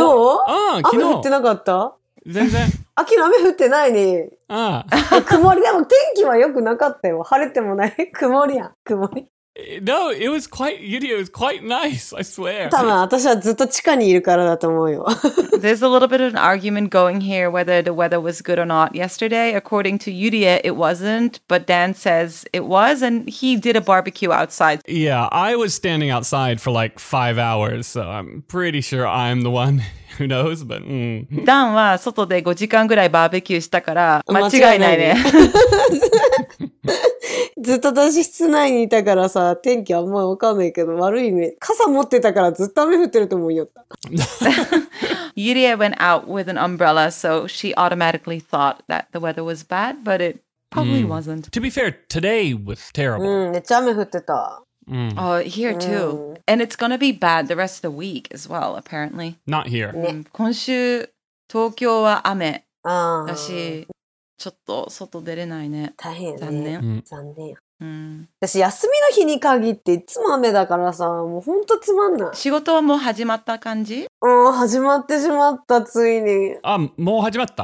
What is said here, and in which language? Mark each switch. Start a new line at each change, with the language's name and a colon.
Japanese: うん、昨日。雨降ってなかった？全然。あ、昨日雨降ってないね。うん。曇り、でも天気は良くなかったよ。晴れてもない。曇りやん、曇り。
English: No, it was quite, Yuria, it was quite nice, I swear.
Japanese: 多分私はずっと地下にいるからだと思うよ。
English: There's a little bit of an argument going here whether the weather was good or not. Yesterday, according to Yuria, it wasn't, but Dan says it was, and he did a barbecue outside. Yeah, I was standing outside for like 5 hours, so I'm pretty sure I'm the one who knows, but...
Japanese: Dan は外で5時間ぐらいバーベキューしたから間違いないね。ずっと私室内にいたからさ、天気あんまわかんないけど、悪いね。傘持ってたからずっと雨降ってると思うよ。
English: Yuria went out with an umbrella, so she automatically thought that the weather was bad, but it probably wasn't. To be fair, today was terrible.
Japanese: めっちゃ雨降ってた。
English: Here too. And it's gonna be bad the rest of the week as well, apparently. Not here.
Japanese: 今週、東京は雨だし。ちょっと外出れないね。大変ね。残念。残念。うん。私休みの日に限っていつも雨だからさ、もうほんとつまんない。仕事はもう始まった感じ？うん、始まってしまった、ついに。あ、もう始まった？